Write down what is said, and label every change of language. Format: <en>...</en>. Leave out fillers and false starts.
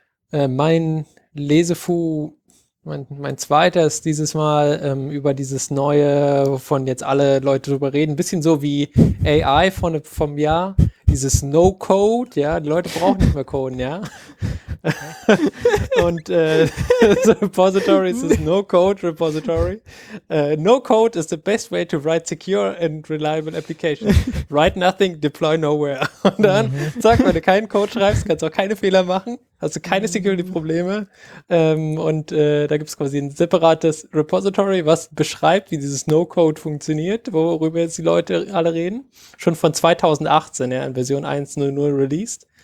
<de>Mein Lesefu, mein zweiter ist dieses Mal über dieses neue, wovon jetzt alle Leute drüber reden, ein bisschen so wie AI vom Jahr, dieses No-Code, ja, die Leute brauchen nicht mehr coden, ja. Und Repository ist das No-Code-Repository.</de> <en>No-Code is the best way to write secure and reliable applications. Write nothing, deploy nowhere.</en> <de>Und dann, zack, wenn du keinen Code schreibst, kannst du auch keine Fehler machen, hast du keine Security-Probleme. Da gibt es quasi ein separates Repository, was beschreibt, wie dieses No-Code funktioniert, worüber jetzt die Leute alle reden. Schon von 2018, ja, in Version 1.0.0 released.</de>